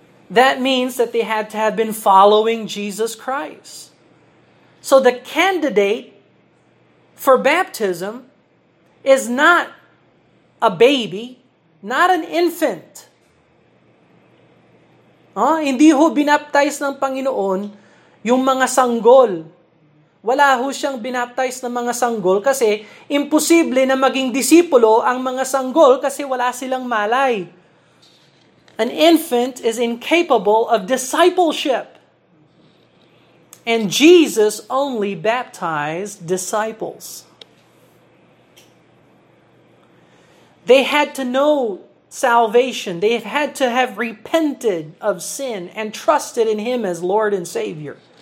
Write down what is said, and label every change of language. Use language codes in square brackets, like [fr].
[en] That means that they had to have been following Jesus Christ. So the candidate for baptism is not a baby, not an infant. [tl] Hindi ho binaptize ng Panginoon yung mga sanggol. Wala ho siyang binaptize ng mga sanggol kasi imposible na maging disipulo ang mga sanggol kasi wala silang malay. [en] An infant is incapable of discipleship. And Jesus only baptized disciples. They had to know salvation. They had to have repented of sin and trusted in Him as Lord and Savior.